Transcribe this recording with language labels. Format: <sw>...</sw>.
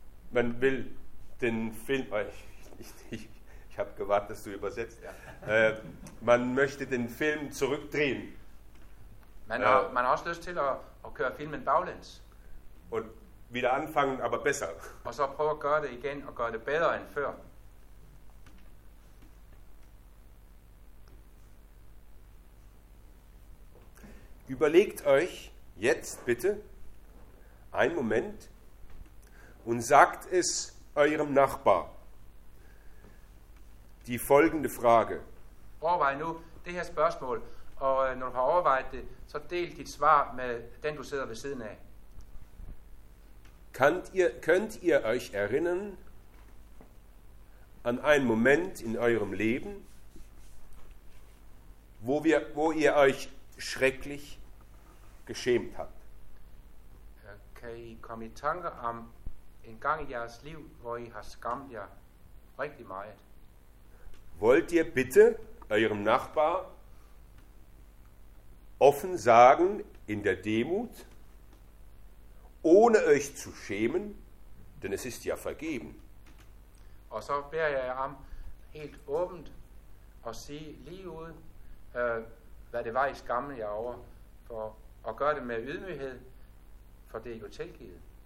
<de>Man will den Film, ich habe gewartet, dass du übersetzt. Ja. Man möchte den Film zurückdrehen.</de> <da>Man har også lyst til at køre filmen baglæns.</da> <de>Und wieder anfangen, aber besser.</de> <da>Og så prøve at gøre det igen og gøre det bedre end før.</da> <de>Überlegt euch jetzt bitte einen Moment und sagt es eurem Nachbar. Die folgende Frage.</de> <da>Overvej nu det her spørgsmål, og når du har overvejet det, så del dit svar med den, du sidder ved siden af.</da> <de>Könnt ihr euch erinnern an einen Moment in eurem Leben, wo ihr euch schrecklich geschämt habt?</de> <da>Kan I komme i tanke om en gang i jeres liv, hvor I har skammet jer rigtig meget?</da> <de>Wollt ihr bitte eurem Nachbar offen sagen in der Demut, ohne euch zu schämen, denn es ist ja vergeben?</de> <da>Og så beder jeg jer om helt åbent at sige lige ud, hvad det var, I skammede jer over, for at gøre det med ydmyghed, for det er jo tilgivet.</da>